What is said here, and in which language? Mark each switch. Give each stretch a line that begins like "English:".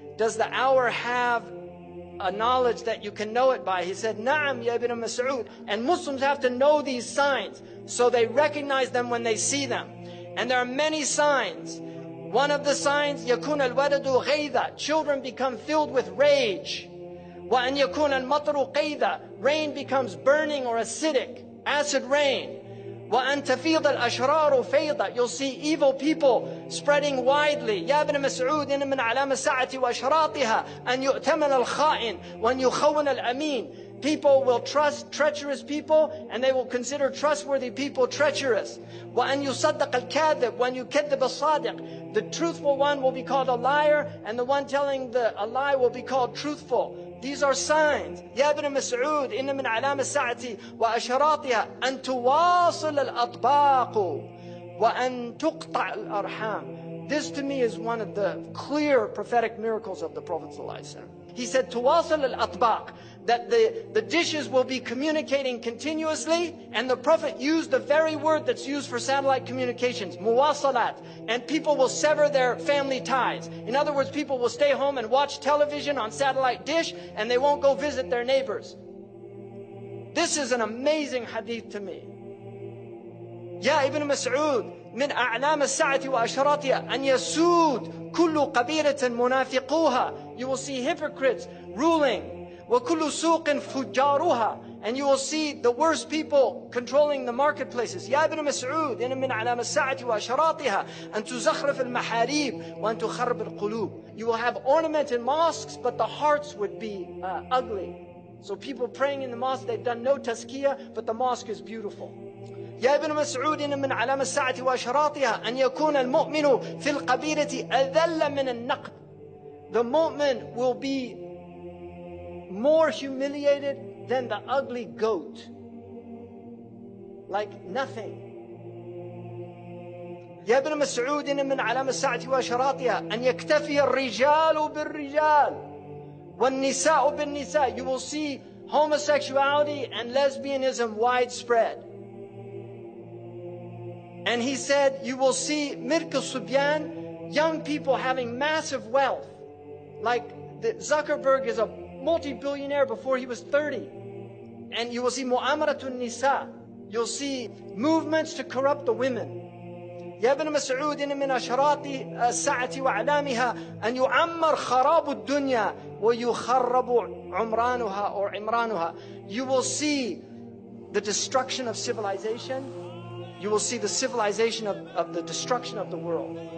English: Does the hour have a knowledge that you can know it by? He said,
Arabic: نعم يا ابن مسعود.
English: And Muslims have to know these signs so they recognize them when they see them. And there are many signs. One of the signs,
Arabic: يكون الولد غيظا.
English: Children become filled with rage.
Arabic: وأن يكون المطر غيظا.
English: Rain becomes burning or acidic, acid rain.
Arabic: وأن تفيض الأشرار فيضا.
English: You'll see evil people spreading widely.
Arabic: يا ابن مسعود إن من علام الساعة وأشراطها أن يؤتمن الخائن وأن يخون الأمين.
English: People will trust treacherous people and they will consider trustworthy people treacherous.
Arabic: وأن يصدق الكاذب وأن يكذب الصادق.
English: The truthful one will be called a liar and the one telling a lie will be called truthful. These are signs.
Arabic: يا ابن مسعود إن من علام الساعة وأشراطها أن تواصل الأطباق وأن تقطع الأرحام.
English: This to me is one of the clear prophetic miracles of the Prophet صلى الله عليه وسلم. He said
Arabic: تواصل الأطباق,
English: that the dishes will be communicating continuously, and the Prophet used the very word that's used for satellite communications, مواصلات, and people will sever their family ties. In other words, people will stay home and watch television on satellite dish and they won't go visit their neighbors. This is an amazing hadith to me.
Arabic: يا ابن مسعود من أعلام الساعة وأشراطها أن يسود كل قبيلة منافقوها.
English: You will see hypocrites ruling.
Arabic: وكل سوق فجارها.
English: And you will see the worst people controlling the marketplaces.
Arabic: يا ابن مسعود إن من علام الساعة وأشراطها أن تزخرف المحاريب وأن تخرب القلوب.
English: You will have ornament in mosques, but the hearts would be ugly. So people praying in the mosque, they've done no tazkiyah, but the mosque is beautiful.
Arabic: يا ابن مسعود إن من علام الساعة وأشراطها أن يكون المؤمن في القبيلة أذل من النقد.
English: The mu'min will be more humiliated than the ugly goat. Like nothing.
Arabic: يا ابن مسعود إن من علام الساعة وأشراطها أن يكتفي الرجال بالرجال والنساء بالنساء.
English: You will see homosexuality and lesbianism widespread. And he said, you will see Mirk al-Subyan, young people having massive wealth. Like Zuckerberg is a multi-billionaire before he was 30. And you will see Mu'amaratu al-Nisa. You'll see movements to corrupt the women.
Arabic: يا ابن مسعود إن من أشراط الساعة وعلامها أن يعمر خراب الدنيا ويخرب عمرانها or عمرانها.
English: You will see the destruction of civilization. You will see the civilization of the destruction of the world.